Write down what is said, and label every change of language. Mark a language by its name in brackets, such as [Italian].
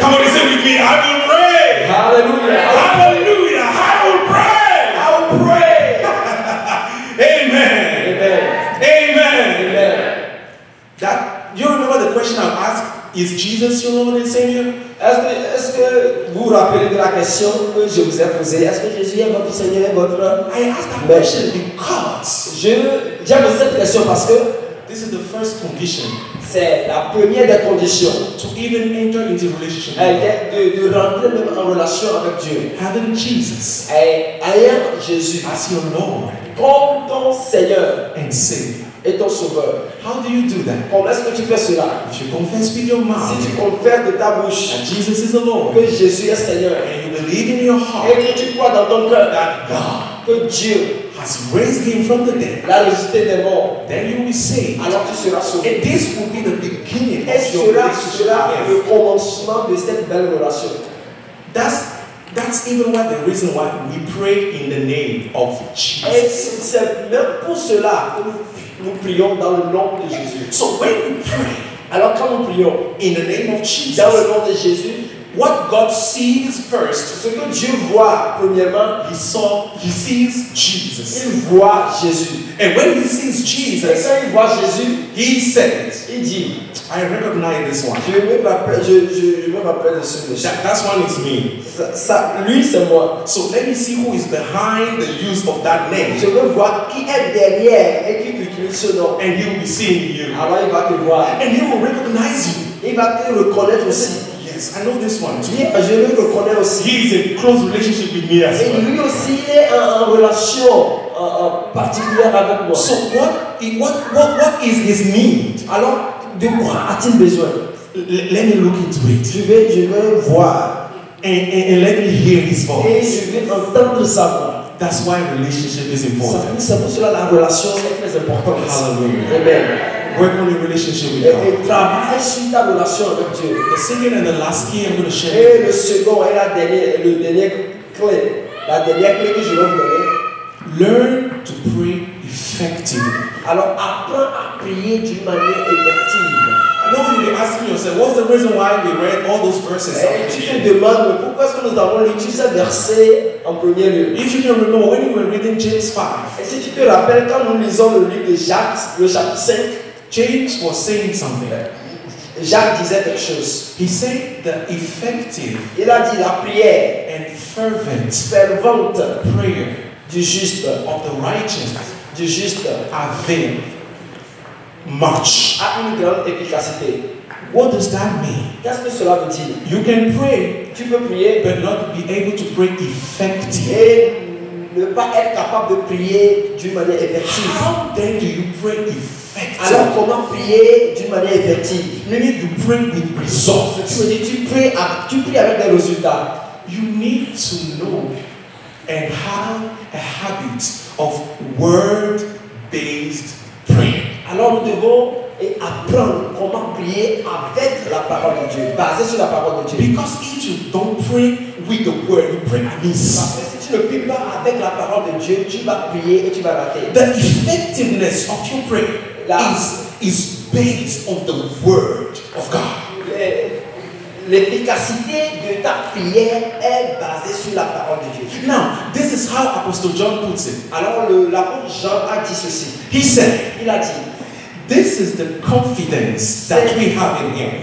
[English] Come on, say with me, I will pray. Hallelujah. Hallelujah. I will pray. I will pray. Amen. Amen. Amen. Amen. That you remember the question I've asked, is Jesus your Lord and Savior? [French] Est-ce que vous vous rappelez de la question que je vous ai posée? Est-ce que Jésus est votre Seigneur et votre [English] I ask that question because [French] j'ai posé cette question parce que [English] this is the first condition. [French] C'est la première des conditions [English] to even enter into relationship [French] de rentrer même en relation avec Dieu. [English] Having Jesus [French] ayant Jésus [English] as your Lord [French] comme ton Seigneur [English] and Savior [French] et ton Sauveur. [English] How do you do that? [French] Comment est-ce que tu fais cela? [English] If you confess with your mouth [French] si tu confesses de ta bouche [English] that Jesus is the Lord [French] que Jésus est Seigneur [English] and you believe in your heart [French] et que tu crois dans ton cœur [English] that God [French] que Dieu [English] has raised him from the dead. [French] La résister des morts. [English] Then you will be saved. [French] Alors tu seras sauvé. [English] And this will be the beginning. [French] Et cela sera le commencement de cette belle relation. [English] That's even why the reason why we pray in the name of Jesus. [French] Et c'est même pour cela que nous prions dans le nom de Jésus. [English] So when we pray, [French] alors quand nous prions [English] in the name of Jesus, [French] dans le nom de Jésus. [English] What God sees first, [French] ce que Dieu voit premièrement, [English] He sees Jesus. [French] Il voit Jésus. [English] And when He sees Jesus, [French] et quand il voit Jésus, [English] He says, [French] il dit, [English] I recognize this one. [French] Je me rappelle de celui-là. [English] That one is me. [French] Ça, lui c'est moi. [English] So let me see who is behind the use of that name. [French] Je veux voir qui est derrière et qui utilise ce nom. [English] And He will be seeing you. [French] Alors il va te voir. [English] And He will recognize you. [French] Il va te reconnaître aussi. [English] I know this one. [French] Oui, je le reconnais aussi. [English] He is in close relationship with me as [French] et Et lui aussi est en relation particulière avec moi. [English] So what is his need? [French] Alors de quoi a-t-il besoin? [English] Let me look into it. [French] Je vais voir. [English] And let me hear his voice. [French] Et je vais entendre sa voix. [English] That's why relationship is important. [French] C'est pour cela la relation est très importante. [English] Hallelujah. Amen. Work on your relationship with God. [French] Et travaille sur ta relation avec Dieu. [English] The second and the last key I'm going to share. [French] Et le second et la dernière clé que je vais vous donner. [English] Learn to pray effectively. [French] Alors apprends à prier d'une manière effective. [English] I know you'll be asking yourself, what's the reason why we read all those verses? [French] Et tu te demandes pourquoi est-ce que nous avons lu tous ces versets en premier lieu. [English] If you can remember when you were reading James 5. [French] Et si tu te rappelles quand nous lisons le livre de Jacques, le chapitre 5. [English] James was saying something. [French] Jacques disait quelque chose. [English] He said the effective. [French] Il a dit la prière. [English] And fervent. [French] Fervente. [English] Prayer. [French] Du juste. [English] Of the righteous. [French] Du juste. [English] Avail. Much. [French] A une grande efficacité. [English] What does that mean? [French] Qu'est-ce que cela veut dire? [English] You can pray. [French] Tu peux prier. [English] But not be able to pray effectively. [French] Et ne pas être capable de prier d'une manière effective. [English] How then do you pray effectively? [French] Alors comment prier d'une manière effective? [English] Maybe you pray with results. [French] Tu pries avec des résultats. [English] You need to know and have a habit of word-based prayer. [French] Alors nous devons et apprendre comment prier avec la parole de Dieu, basé sur la parole de Dieu. [English] Because if you don't pray with the word, you pray amiss. [French] Le prie avec la parole de Dieu, tu vas prier et tu vas rater. [English] The effectiveness of your prayer is based on the word of God. [French] L'efficacité de ta prière est basée sur la parole de Dieu. [English] Now, this is how Apostle John puts it. [French] Alors l'apôtre Jean a dit ceci. [English] He said, [French] il a dit, [English] this is the confidence that we have in him.